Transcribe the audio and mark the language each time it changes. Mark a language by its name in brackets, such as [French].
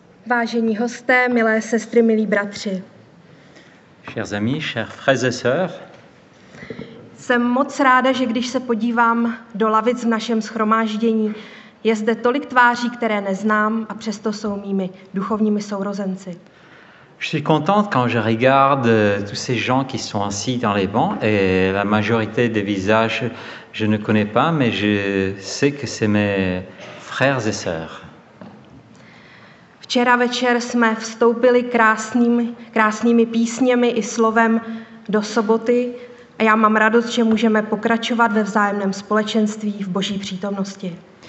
[Czech] Vážení hosté, milé sestry, milí bratři. [French] Chers amis, chers frères et sœurs. [Czech] Jsem moc ráda, že když se podívám do lavic v našem shromáždění, je zde tolik tváří, které neznám, a přesto jsou mými duchovními sourozenci. [French] Je suis contente quand je regarde tous ces gens qui sont assis dans les bancs et la majorité des visages je ne connais pas, mais je sais que c'est mes frères et sœurs. [Czech] Včera večer jsme vstoupili krásnými písněmi i slovem do soboty a já mám radost, že můžeme pokračovat ve vzájemném společenství v Boží přítomnosti.